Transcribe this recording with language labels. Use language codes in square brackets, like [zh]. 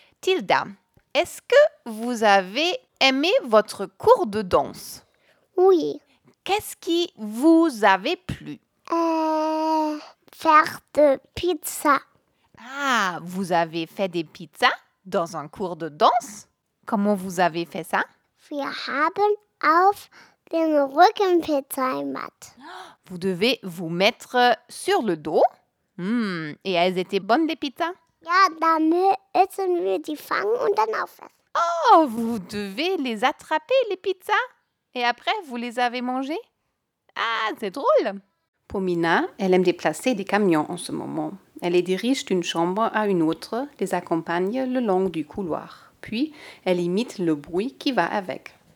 [fr] Tilda, est-ce que vous avez aimé votre cours de danse? Oui. Qu'est-ce qui vous avait plu? Faire de pizza. Ah, vous avez fait des pizzas? Dans un cours de danse? Comment vous avez fait ça? [de] Wir haben auf den Rücken Pizza gemacht. [fr] Vous devez vous mettre sur le dos? Et elles étaient bonnes les pizzas? [de] Ja, dann essen wir die fangen und dann aufessen. [fr] Oh, vous devez les attraper les pizzas? Et après, vous les avez mangées? Ah, c'est drôle! Pour Mina, elle aime déplacer des camions en ce moment. Elle les dirige d'une chambre à une autre, les accompagne le long du couloir. Puis, elle imite le bruit qui va avec.